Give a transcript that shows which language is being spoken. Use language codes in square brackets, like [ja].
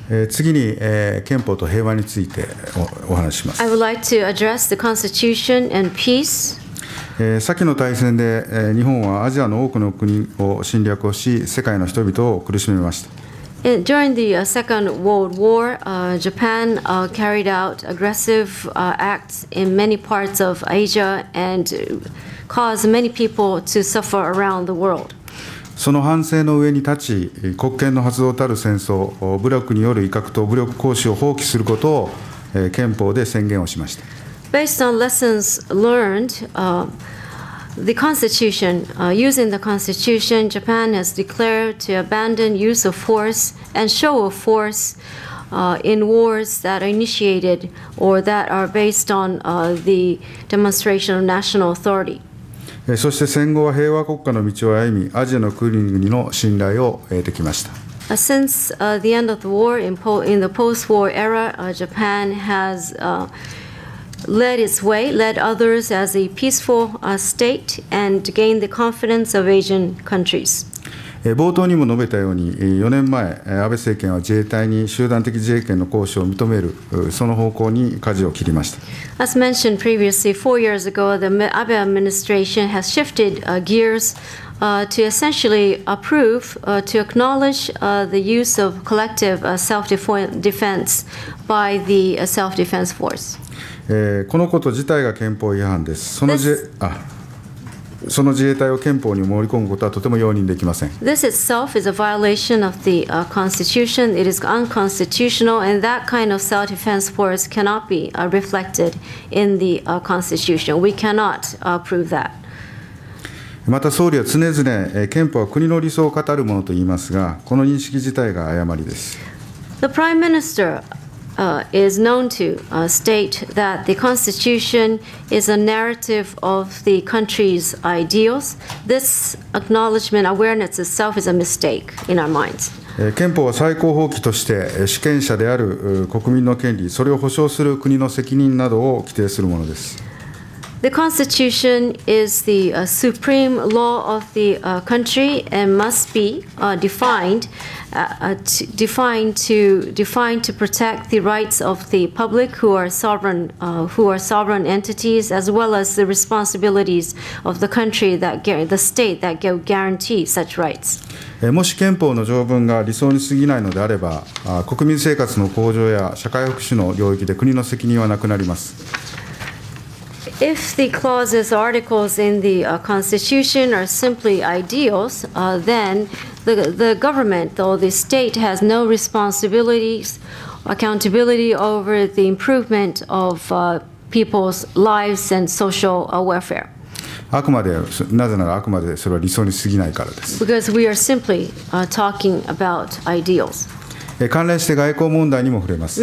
[ja] 次に、憲法と平和についてお話します。 [en] I would like to address the Constitution and peace. [ja] 先の大戦で、日本はアジアの多くの国を侵略をし、世界の人々を苦しめました。 [en] During the Second World War, Japan carried out aggressive acts in many parts of Asia and caused many people to suffer around the world. [ja] その反省の上に立ち、国権の発動たる戦争、武力による威嚇と武力行使を放棄することを憲法で宣言をしました。 [en] Based on lessons learned, The Constitution, using the Constitution, Japan has declared to abandon use of force and show of force in wars that are initiated or that are based on the demonstration of national authority. [ja] そして戦後は平和国家の道を歩み、アジアの国々の信頼を得てきました。 [en] Since the end of the war, in the post-war era, Japan has led its way, led others as a peaceful state, and gained the confidence of Asian countries. [ja] 冒頭にも述べたように、4年前、安倍政権は自衛隊に集団的自衛権の行使を認める、その方向に舵を切りました。 [en] As mentioned previously, four years ago, the Abe administration has shifted gears to essentially approve, to acknowledge the use of collective self-defense by the self-defense force. [ja] このこと自体が憲法違反です。その自衛隊を憲法に盛り込むことはとても容認できません。 [en] This itself is a violation of the Constitution. It is unconstitutional, and that kind of self-defense force cannot be reflected in the Constitution. We cannot approve that. [ja] また総理は常々憲法は国の理想を語るものと言いますが、この認識自体が誤りです。 [en] The Prime Minister,is known to state that the Constitution is a narrative of the country's ideals. This acknowledgement awareness itself is a mistake in our minds. [ja] 憲法は最高法規として主権者である国民の権利、それを保障する国の責任などを規定するものです。 [en] The constitution is the supreme law of the country and must be defined to protect the rights of the public who are sovereign entities, as well as the responsibilities of the country that the state that guarantee such rights. [ja] もし憲法の条文が理想に過ぎないのであれば、国民生活の向上や社会福祉の領域で国の責任はなくなります。 [en] If the clauses or articles in the constitution are simply ideals, then the government or the state has no responsibilities, accountability over the improvement of people's lives and social welfare. [ja] あくまで、なぜならあくまでそれは理想に過ぎないからです。 [en] Because we are simply talking about ideals. [ja] 関連して外交問題にも触れます。